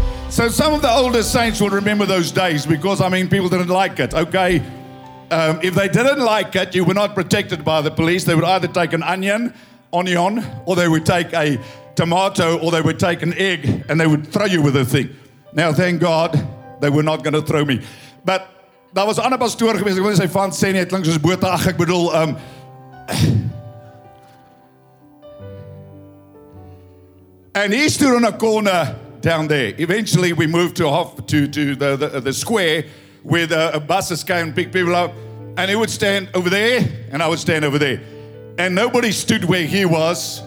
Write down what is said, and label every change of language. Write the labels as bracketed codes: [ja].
[en] So some of the older saints will remember those days, because I mean, people didn't like it, okay? If they didn't like it, you were not protected by the police. They would either take an onion, or they would take a tomato, or they would take an egg, and they would throw you with a thing. Now, thank God, they were not going to throw me. [af] But daar was ander pastoor geweest, ek wil nie sy van sê nie, het klink soos Botha. Ach, ek bedoel, [en] and he stood on a corner down there. Eventually, we moved to the square where the buses came and picked people up. And he would stand over there, and I would stand over there. And nobody stood where he was.